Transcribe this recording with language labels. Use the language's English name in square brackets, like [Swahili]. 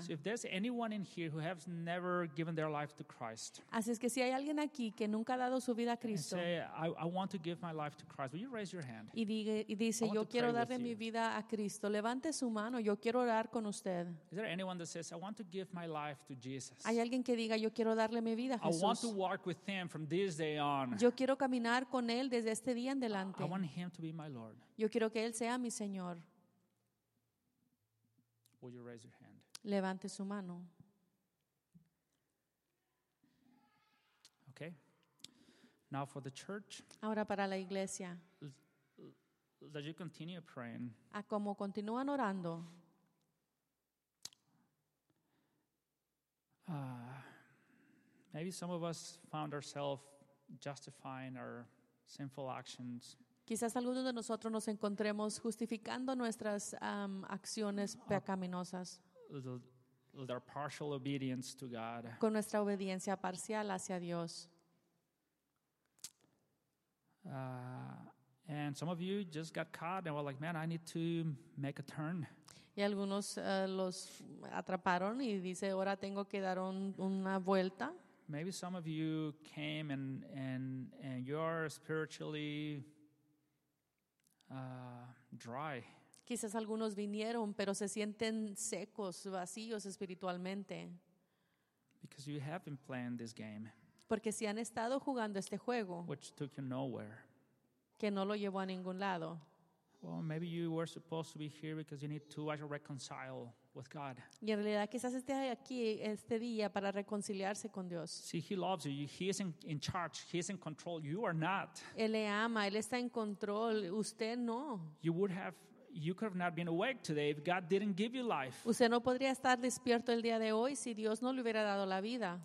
[English] So if there's anyone in here who has never given their life to Christ. [Spanish] Así es que si hay alguien aquí que nunca ha dado su vida a Cristo. [English] Say, I want to give my life to Christ. Will you raise your hand? [Spanish] Y dice, yo quiero darle mi vida a Cristo. Levante su mano. Yo quiero orar con usted. [English] Is there anyone that says, I want to give my life to Jesus? [Spanish] Hay alguien que diga, yo quiero darle mi vida a Jesús. [English] I want to walk with him from this day on. [Spanish] Yo quiero caminar con él desde este día en adelante. [English] I want him to be my Lord. [Spanish] Yo quiero que él sea mi Señor. [English] Will you raise your hand? [Spanish] Levante su mano. [English] Okay. Now for the church. [Spanish] Ahora para la iglesia. [English] That you continue praying. [Spanish] A como continúan orando. [English] Maybe some of us found ourselves justifying our sinful actions. [Spanish] Quizás algunos de nosotros nos encontremos justificando nuestras acciones pecaminosas. [English] Their partial obedience to God. [Spanish] Con nuestra obediencia parcial hacia Dios. [English] And some of you just got caught and were like, man, I need to make a turn. [Spanish] Y algunos los atraparon y dice, ahora tengo que dar una vuelta. [English] Maybe some of you came and you are spiritually dry. [Spanish] Quizás algunos vinieron, pero se sienten secos, vacíos espiritualmente. [English] Because you have been playing this game. [Spanish] Porque si han estado jugando este juego. [English] Which took you nowhere. [Spanish] Que no lo llevó a ningún lado. [English] Well, maybe you were supposed to be here because you need to actually reconcile with God. [Spanish] Y en realidad quizás esté aquí este día para reconciliarse con Dios. [English] See, he loves you. He is in charge. He is in control. You are not. [Spanish] Él le ama. Él está en control. Usted no. [English] You could have not been awake today if God didn't give you life. [Spanish] Usted no podría estar despierto el día de hoy si Dios no le hubiera dado la vida.